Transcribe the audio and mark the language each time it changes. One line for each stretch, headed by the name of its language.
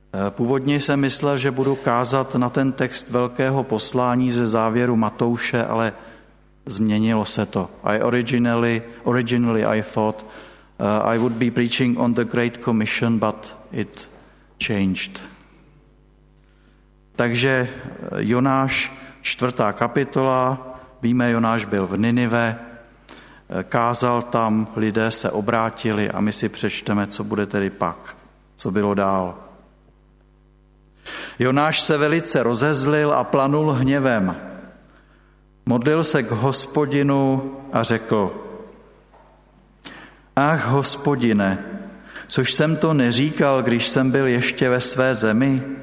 Czech: Původně jsem myslel, že budu kázat na ten text velkého poslání ze závěru Matouše, ale změnilo se to.
English: I originally thought I would be preaching on the Great Commission, but it changed.
Czech: Takže Jonáš, čtvrtá kapitola, víme, Jonáš byl v Ninive, kázal tam, lidé se obrátili a my si přečteme, co bude tedy pak, co bylo dál. Jonáš se velice rozezlil a planul hněvem. Modlil se k Hospodinu a řekl: Ach, Hospodine, což jsem to neříkal, když jsem byl ještě ve své zemi?